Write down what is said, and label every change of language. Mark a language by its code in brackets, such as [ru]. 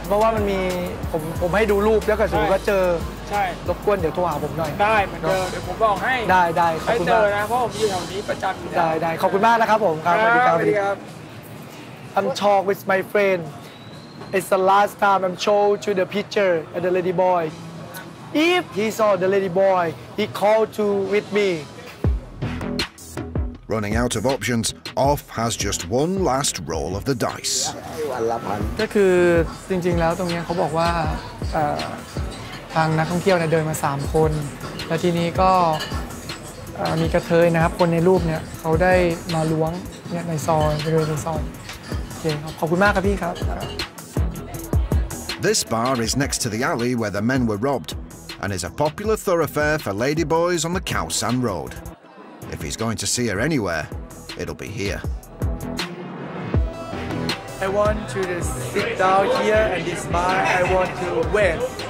[th] เพราะว่ามันมีผมให้ดูรูปแล้วก็สมมติว่าเจอ ใช่ รบกวนเดี๋ยวโทรหาผมหน่อย ได้เหมือนเดิมเดี๋ยวผมบอกให้ได้ได้ขอบคุณมาก เจอนะเพราะผมอยู่แถวนี้ประจำอยู่ได้ได้ขอบคุณมากนะครับผมครับ สวัสดีครับสวัสดีครับ [en] I'm talk with my friend it's the last time I'm show to the picture at the lady boy if he saw the lady boy he called to with me running out of options off has just one last roll of the dice [th] ก็คือจริงๆแล้วตรงนี้เขาบอกว่าทางนักท่องเที่ยวเนี่ยเดินมา3คนแล้วทีนี้ก็มีกระเทยนะครับคนในรูปเนี่ยเขาได้มาล้วงเนี่ยในซอยในซอยโอเคครับขอบคุณมากครับพี่ครับ [en] This bar is next to the alley where the men were robbed and is a popular thoroughfare for ladyboys on the Khao San Road If he's going to see her anywhere it'll be here I want to sit down here at this bar. I want to wait.